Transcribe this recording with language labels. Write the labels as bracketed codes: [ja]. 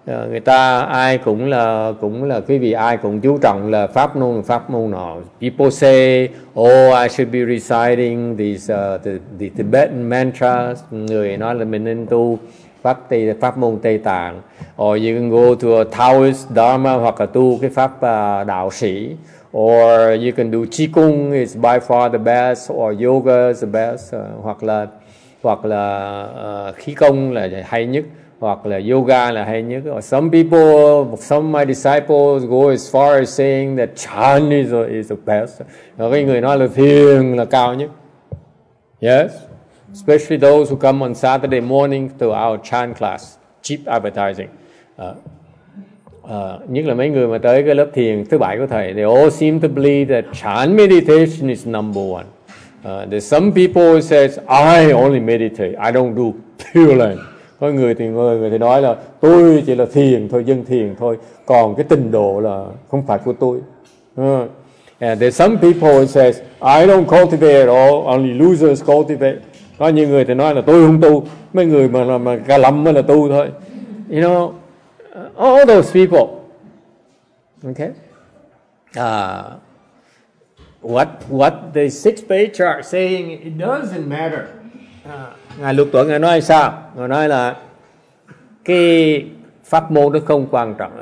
[vi] Người ta ai cũng là quý vị ai cũng chú trọng là pháp môn nọ. [en] People say, oh, I should be reciting these the Tibetan mantras. [vi] Người nói là mình nên tu pháp môn Tây Tạng. [en] Or you can go to a Taoist Dharma [vi] hoặc là tu cái pháp đạo sĩ. [en] Or you can do Qigong, it's by far the best. Or yoga is the best. [vi] Hoặc là khí công là hay nhất. Hoặc là yoga là hay nhất. [en] Some of my disciples go as far as saying that chan is the best. [vi] Và cái người nói là thiền là cao nhất. [en] Yes. Especially those who come on Saturday morning to our chan class. Cheap advertising. [vi] Nhất là mấy người mà tới cái lớp thiền thứ bảy của thầy. [en] They all seem to believe that chan meditation is number one. There's some people who says, I only meditate. I don't do pure land. [vi] Có người thì nói là tôi chỉ là thiền thôi, dân thiền thôi, còn cái tình độ là không phải của tôi. [en] And there's some people who says I don't cultivate at all, only losers cultivate. [vi] Có nhiều người thì nói là tôi không tu, mấy người mà cả lắm mới là tu thôi. [en] You know, all those people. Okay. What the six page chart saying, it doesn't matter. [vi] Ngài Lục Tổ ngài nói sao? Ngài nói là cái pháp môn nó không quan trọng.